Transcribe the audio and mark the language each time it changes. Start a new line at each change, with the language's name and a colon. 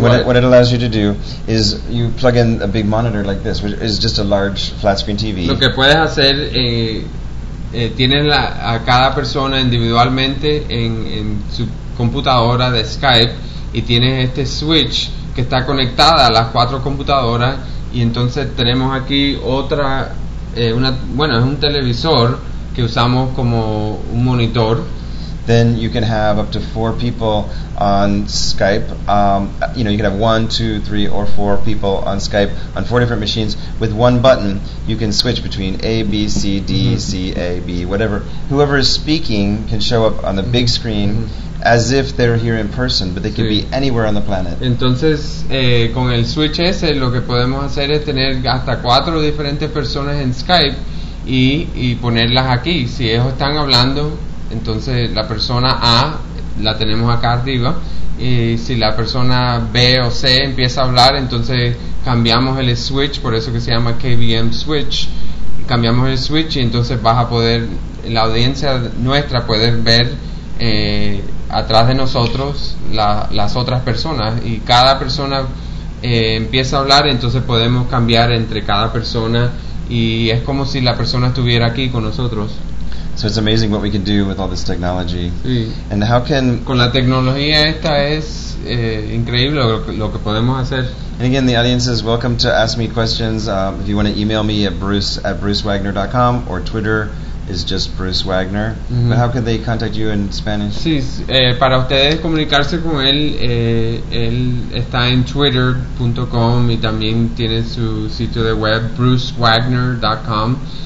English: What it allows you to do is you plug in a big monitor like this, which is just a large flat screen TV.
Spanish: Lo que puedes hacer, tienes a cada persona individualmente en su computadora de Skype y tienes este switch que está conectada a las 4 computadoras y entonces tenemos aquí otra, es un televisor que usamos como un monitor.
English: Then you can have up to 4 people on Skype. You can have 1, 2, 3, or 4 people on Skype on 4 different machines. With one button, you can switch between A, B, C, D, mm-hmm. C, A, B, whatever. Whoever is speaking can show up on the mm-hmm. big screen mm-hmm. as if they're here in person, but they can be anywhere on the planet.
Spanish: Entonces, con el switch ese, lo que podemos hacer es tener hasta 4 diferentes personas en Skype y ponerlas aquí. Si ellos están hablando, entonces la persona A la tenemos acá arriba y si la persona B o C empieza a hablar, entonces cambiamos el switch, por eso que se llama KVM switch, cambiamos el switch y entonces vas a poder, la audiencia nuestra puede ver atrás de nosotros las otras personas y cada persona empieza a hablar, entonces podemos cambiar entre cada persona y es como si la persona estuviera aquí con nosotros.
English: So it's amazing what we can do with all this technology.
Spanish: Sí.
English: And how can...
Spanish: Con la tecnología esta es increíble lo que podemos hacer.
English: And again, the audience is welcome to ask me questions. If you want to email me at bruce@brucewagner.com or Twitter is just Bruce Wagner. Mm-hmm. But how can they contact you in Spanish?
Spanish: Sí, para ustedes comunicarse con él, él está en twitter.com y también tiene su sitio de web brucewagner.com.